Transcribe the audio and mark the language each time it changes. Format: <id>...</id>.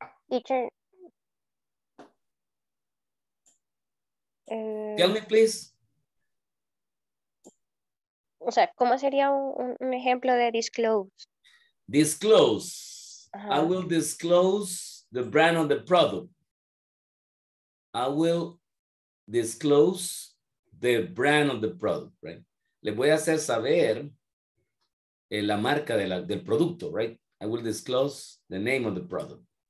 <en>Teacher. Tell me, please.</en> <es>O sea, ¿cómo sería un ejemplo de disclose?</es> <en>Disclose. Uh-huh. I will disclose the brand of the product. I will disclose the brand of the product, right?</en> <es>Le voy a hacer saber la marca de del producto,</es> <en>right? I will disclose the name of the product.</en>